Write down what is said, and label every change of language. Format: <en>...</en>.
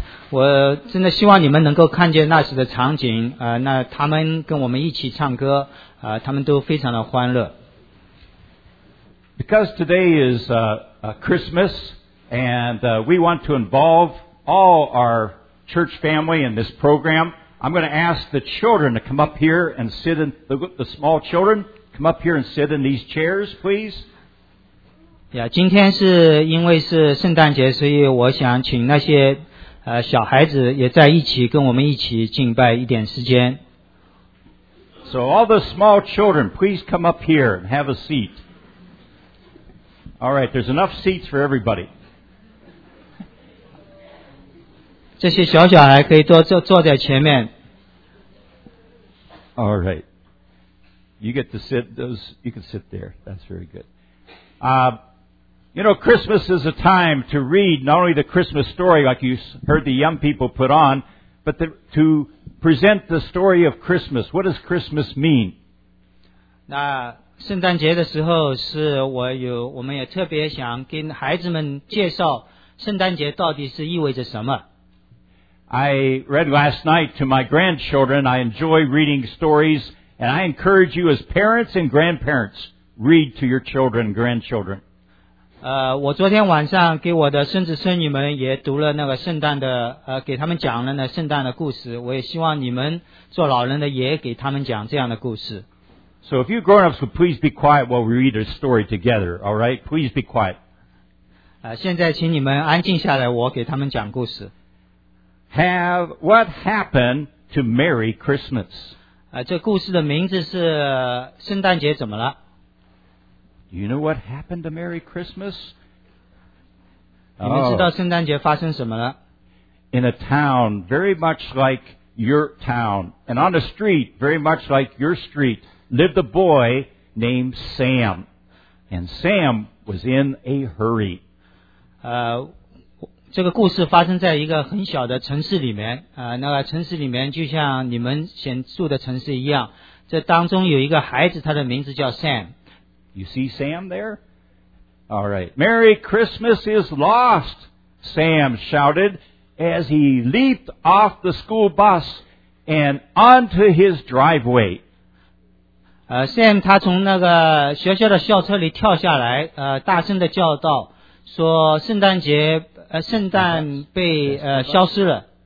<zh>我真的希望你们能够看见那时的场景。那他们跟我们一起唱歌，他们都非常的欢乐。</zh> <en>Because today is Christmas, and we want to involve all our church family in this program, I'm going to ask the children to come up here and sit in, the small children, come up here and sit in these chairs, please.</en> <zh>Yeah, 今天是因为是圣诞节，所以我想请那些小孩子也在一起跟我们一起敬拜一点时间。</zh> <en>So all the small children, please come up here and have a seat. All right, there's enough seats for everybody.</en> <zh>这些小小孩可以坐在前面。</zh> <en>All right. You get to sit, you can sit there. That's very good. You know, Christmas is a time to read not only the Christmas story like you heard the young people put on, but to present the story of Christmas. What does Christmas mean?</en> <zh>那圣诞节的时候是我们也特别想跟孩子们介绍圣诞节到底是意味着什么。</zh> <en>I read last night to my grandchildren. I enjoy reading stories, and I encourage you as parents and grandparents, read to your children and grandchildren.</en> <zh>我昨天晚上给我的孙子孙女们也读了那个圣诞的给他们讲了那圣诞的故事，我也希望你们做老人的也给他们讲这样的故事。</zh> <en>So if you grown-ups would please be quiet while we read a story together, all right? Please be quiet.</en> <zh>现在请你们安静下来，我给他们讲故事。</zh> <en>Have what happened to Merry Christmas?</en> <zh>这故事的名字是圣诞节怎么了？</zh> <en>You know what happened to Merry Christmas?</en> <zh>你们知道圣诞节发生什么了？</zh> <en>In a town very much like your town, and on a street very much like your street,lived a boy named Sam. And Sam was in a hurry.</en> <zh>这个故事发生在一个很小的城市里面。那个城市里面就像你们现住的城市一样。这当中有一个孩子，他的名字叫 Sam.</zh> <en>You see Sam there? All right. Merry Christmas is lost, Sam shouted as he leaped off the school bus and onto his driveway.</en> <zh>Sam 他从那个学校的校车里跳下来，大声的叫道，说圣诞节，圣诞被消失了。</zh>